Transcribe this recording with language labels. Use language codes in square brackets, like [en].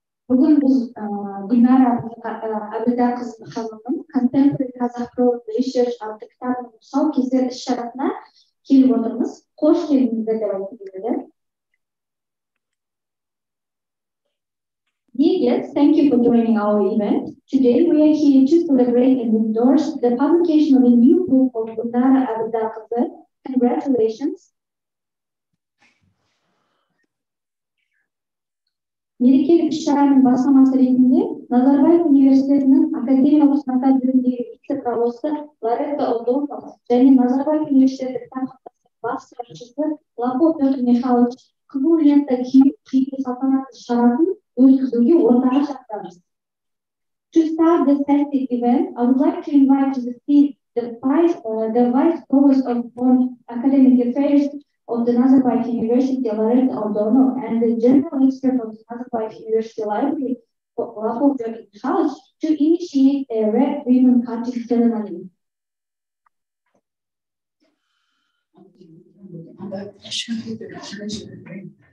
[kk] Бүгін біз Гүлмәра Әбілдәқызы ханымның Contemporary Kazakh Prose Research атты кітабының тұсаукесер іс-шарасына келіп отырмыз. Қош келдіңіздер деп айтқым келеді. [en] Dear guests, thank you for joining our event. Today we are here to celebrate and endorse the publication of a new book of Gülnara Abdülkadir. Congratulations. [kk] Мерекелік іс-шараның бастамасы ретінде Назарбаев университетінің академиялық сынақтар бөліміндегі вице-профессоры Лоретта Олдонова және Назарбаев университеті кітапханасы бас сарапшысы Лапо Петр Михайлович Қызыл лента кию салтанатты шарасын өткізуге ортаға шақырамыз. [en] To start the festive event, I would like to invite you to see the Vice Provost on Academic Affairs of the Nazarbayev University, Lorette Aldonov, and the General Expert of the Nazarbayev University Library, Lapo Petr Michalovich, to initiate a red ribbon cutting ceremony.